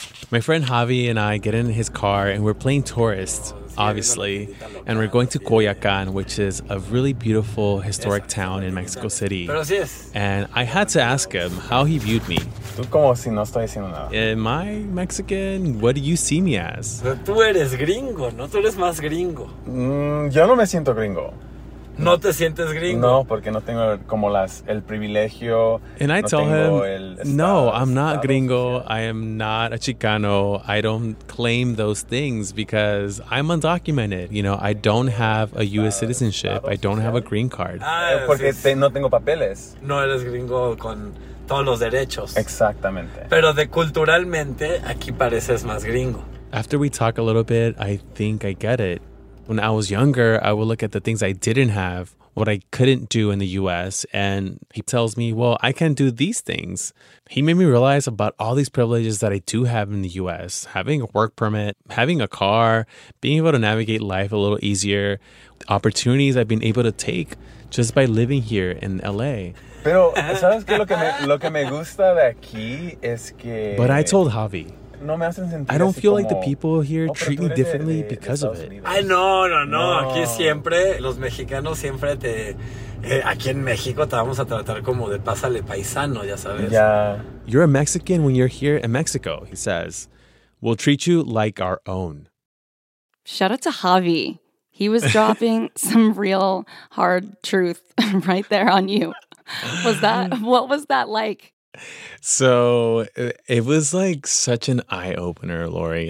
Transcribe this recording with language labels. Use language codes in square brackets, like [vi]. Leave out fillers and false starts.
[en] My friend Javi and I get in his car and we're playing tourists, obviously. And we're going to Coyoacan, which is a really beautiful historic town in Mexico City. And I had to ask him how he viewed me. Am I Mexican? What do you see me as? [es] Tú eres gringo, no tú eres más gringo. Yo no me siento gringo. No te sientes gringo. No, porque no tengo como las el privilegio. [en] And I tell him, no, I'm not gringo. I am not a Chicano. I don't claim those things because I'm undocumented. You know, I don't have a U.S. citizenship. I don't have a green card. [es] Porque no tengo papeles. No eres gringo con todos los derechos. Exactamente. Pero de culturalmente, aquí pareces más gringo. [en] After we talk a little bit, I think I get it. When I was younger, I would look at the things I didn't have, what I couldn't do in the U.S., and he tells me, well, I can do these things. He made me realize about all these privileges that I do have in the U.S., having a work permit, having a car, being able to navigate life a little easier, opportunities I've been able to take just by living here in L.A. [es] Pero, ¿sabes qué? Lo que me gusta de aquí es que... [en] But I told Javi... [es] No me hacen sentir [en] I don't feel [es] como, [en] like the people here treat me differently because of it. [es] Ay, no. Aquí siempre, los mexicanos siempre te... aquí en México te vamos a tratar como de pásale paisano, ya sabes. [en] Yeah. You're a Mexican when you're here in Mexico, he says. We'll treat you like our own. Shout out to Javi. He was dropping some real hard truth right there on you. What was that like? So it was like such an eye opener, Lori.